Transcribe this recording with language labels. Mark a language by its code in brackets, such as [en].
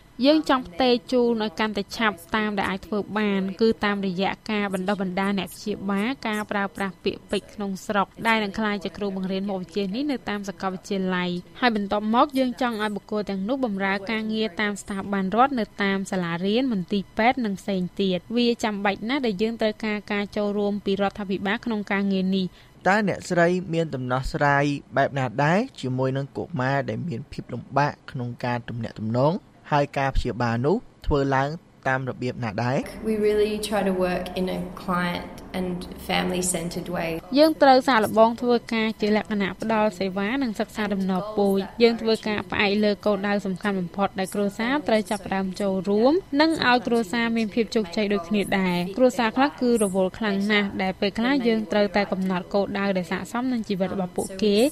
[km] យើងចង់ផ្ទេរជូនឲ្យកាន់តែឆាប់តាមដែលអាចធ្វើបានគឺតាមរយៈការបណ្ដុះបណ្ដាលអ្នកព្យាបាលការប្រើប្រាស់ពាក្យពេចន៍ក្នុងស្រុកដែលនឹងក្លាយជាគ្រូបង្រៀនមុខវិជ្ជានេះនៅតាមសាកលវិទ្យាល័យហើយបន្តមកយើងចង់ឲ្យបុគ្គលទាំងនោះបម្រើការងារតាមស្ថាប័នរដ្ឋនៅតាមសាលារៀនមន្ទីរពេទ្យនិងផ្សេងទៀតវាចាំបាច់ណាស់ដែលយើងត្រូវការការចូលរួមពីរដ្ឋាភិបាលក្នុងការងារនេះ តើអ្នកស្រីមានដំណោះស្រាយបែបណាដែរជាមួយនឹងកុមារដែលមានភាពលំបាកក្នុងការទំនាក់ទំនងហើយការព្យាបាលនោះធ្វើឡើងតាមរបៀបណាដែរ [en] We really try to work in a client and family centered way [km] យើងត្រូវសាកល្បងធ្វើការជាលក្ខណៈផ្ដល់សេវានិងសិក្សាដំណើរពូជយើងធ្វើការផ្អែកលើគោលដៅសំខាន់បំផុតដែលគ្រួសារត្រូវចាប់ផ្ដើមចូលរួមនិងឲ្យគ្រួសារមានភាពជោគជ័យដូចគ្នាដែរគ្រួសារខ្លះគឺរវល់ខ្លាំងណាស់ដែលពេលខ្លះយើងត្រូវតែកំណត់គោលដៅដែលស័ក្តិសមនឹងជីវិតរបស់ពួកគេ